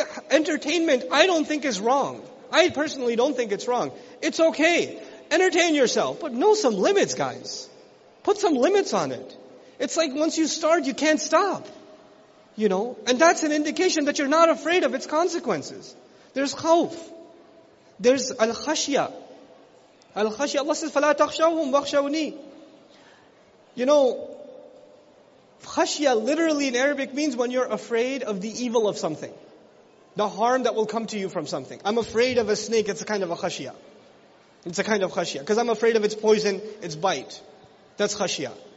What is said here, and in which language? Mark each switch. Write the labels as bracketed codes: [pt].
[en] Entertainment, I don't think is wrong. I personally don't think it's wrong. It's okay. Entertain yourself. But know some limits, guys. Put some limits on it. It's like once you start, you can't stop. You know? And that's an indication that you're not afraid of its consequences. There's khawf. There's al-khashya. Al-khashya. Allah says, [ar] فَلَا تَخْشَوْهُمْ وَخْشَوْنِي. [en] You know, khashya literally in Arabic means when you're afraid of the evil of something. The harm that will come to you from something. I'm afraid of a snake, it's a kind of a khashya. It's a kind of khashya. Because I'm afraid of its poison, its bite. That's khashya.